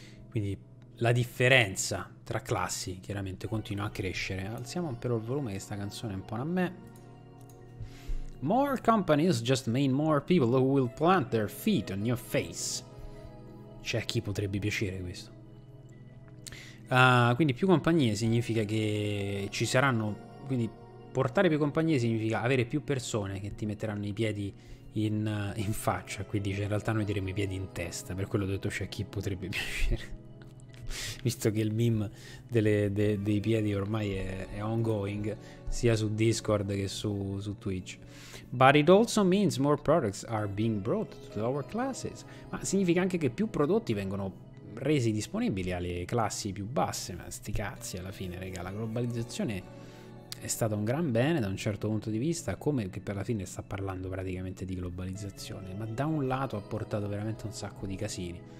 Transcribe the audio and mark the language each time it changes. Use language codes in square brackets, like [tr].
[it] Quindi la differenza tra classi chiaramente continua a crescere. Alziamo un po' il volume, che sta canzone è un po' a me. [en] More companies just mean more people who will plant their feet on your face. [it] C'è chi potrebbe piacere questo. Quindi più compagnie significa che ci saranno, quindi portare più compagnie significa avere più persone che ti metteranno i piedi in faccia. Quindi cioè, in realtà noi diremo i piedi in testa, per quello ho detto c'è chi potrebbe piacere. Visto che il meme dei piedi ormai è ongoing, sia su Discord che su Twitch. [en] But it also means more products are being brought to the lower classes. [it] Ma significa anche che più prodotti vengono resi disponibili alle classi più basse. Ma sti cazzi, alla fine, raga, la globalizzazione è stata un gran bene da un certo punto di vista, come che per la fine sta parlando praticamente di globalizzazione, ma da un lato ha portato veramente un sacco di casini.